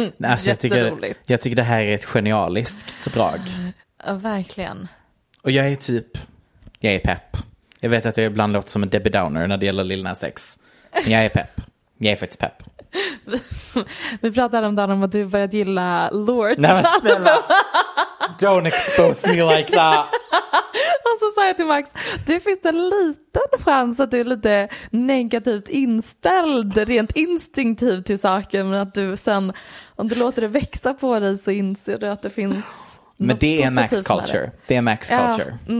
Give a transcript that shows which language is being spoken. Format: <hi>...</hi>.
<sv>Alltså, jag tycker det här är ett genialiskt drag. Ja, verkligen. Och jag är typ, jag är pepp. Jag vet att jag ibland låter som en Debbie Downer när det gäller Lil Nas X. Men jag är pepp. Jag är faktiskt pepp. Vi pratade häromdagen om att du börjat gilla Lords. Nej, men snälla.</sv> <en>Don't expose me like that.</en> <sv>Och så sa jag till Max, du, finns en liten chans att du är lite negativt inställd rent instinktivt till saken, men att du sen, om du låter det växa på dig, så inser du att det finns. Men det är Max culture. Det är Max culture.</sv>